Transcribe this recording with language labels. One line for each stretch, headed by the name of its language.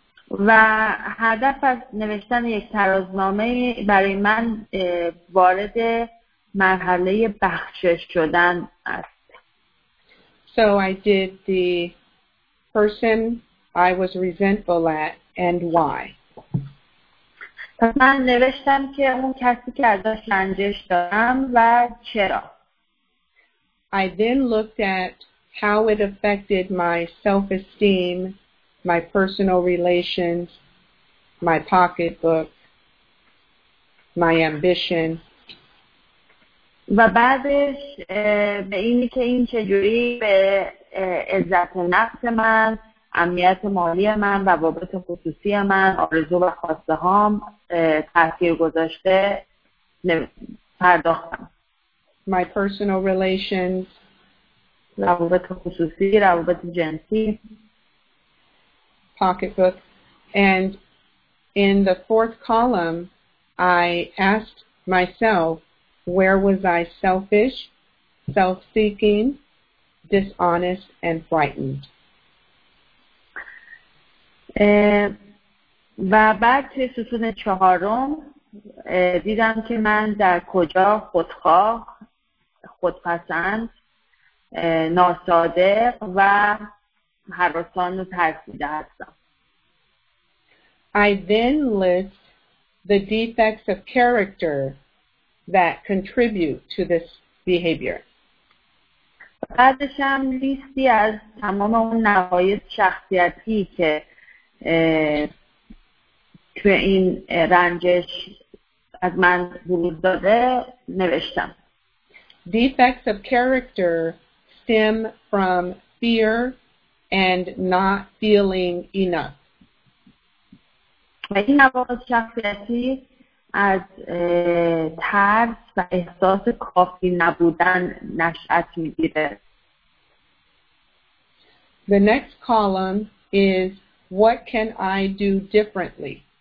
Persian: و هدف از نوشتن یک ترازنامه برای من وارد مرحله بخشش شدن است.
English: So I did the person I was resentful at. And why?
Persian: پس من نوشتم که اون کسی که ازش رنجش دارم و چرا.
English: I then looked at how it affected my self-esteem, my personal relations, my pocketbook, my ambition.
Persian: و بعدش به اینی که این چجوری به عزت نفس من، امنیت مالی من و روابط خصوصی من، آرزو و خواسته هام تأثیر گذاشته پرداختم.
English: My personal relations.
Persian: روابط خصوصی، روابط جنسی.
English: Pocketbook. And in the 4th column, I asked myself, where was I selfish, self-seeking, dishonest, and frightened?
Persian: و بعد توی ستون 4 دیدم که من در کجا خودخواه، خودپسند، ناسادق و حراسان و ترسیده هستم.
English: I then list the defects of character that contribute to this behavior.
Persian: بعدش هم لیستی از تمام اون نقایص شخصیتی که توی این رنجش از من ورود داده نوشتم.
English: Defects of character stem from fear and not feeling enough.
Persian: و این نقایص شخصیتی از ترس و احساس کافی نبودن نشأت میگیره.
English: The next column is what can I do differently?